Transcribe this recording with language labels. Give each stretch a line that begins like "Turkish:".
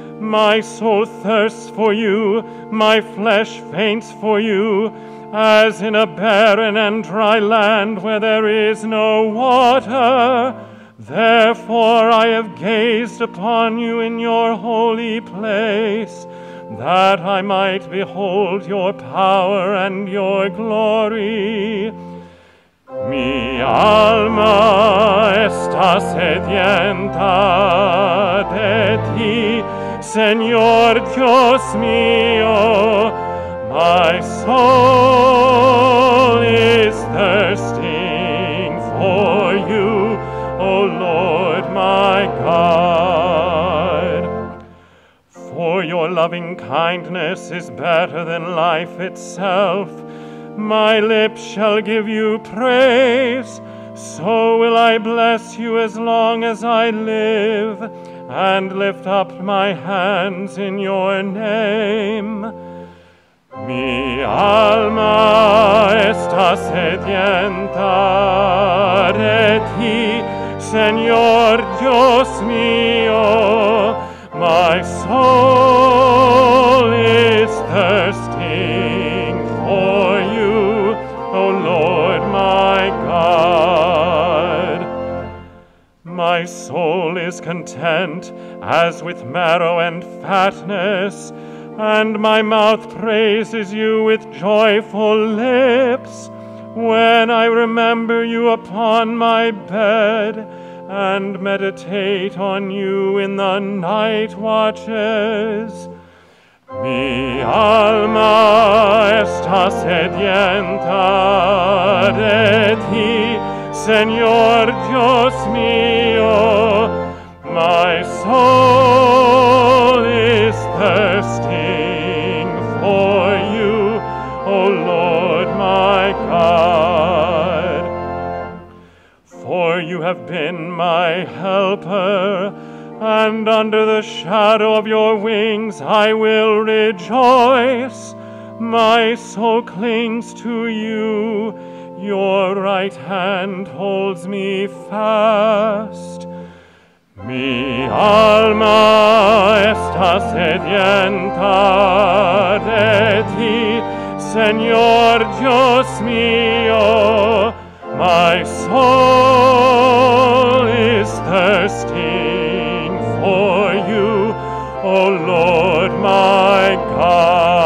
English: My soul thirsts for you, my flesh faints for you, as in a barren and dry land where there is no water. Therefore I have gazed upon you in your holy place, that I might behold your power and your glory.
Spanish: Mi alma está sedienta de ti, Señor Dios mío.
English: My soul is thirsting for you, O Lord my God. For your loving kindness is better than life itself. My lips shall give you praise. So will I bless you as long as I live, and lift up my hands in your name.
Spanish: Mi alma está sedienta de ti, Señor Dios mío.
English: My soul is thirsting for you, O Lord my God. My soul is content as with marrow and fatness, and my mouth praises you with joyful lips, when I remember you upon my bed and meditate on you in the night watches.
Spanish: Mi alma está sedienta de ti, Señor Dios mío.
English: My soul is thirsting for you, O Lord my God. For you have been my helper, and under the shadow of your wings I will rejoice. My soul clings to you, your right hand holds me fast.
Spanish: Mi alma está sedienta de ti, Señor Dios mío.
English: My soul is thirsting for you, O Lord my God.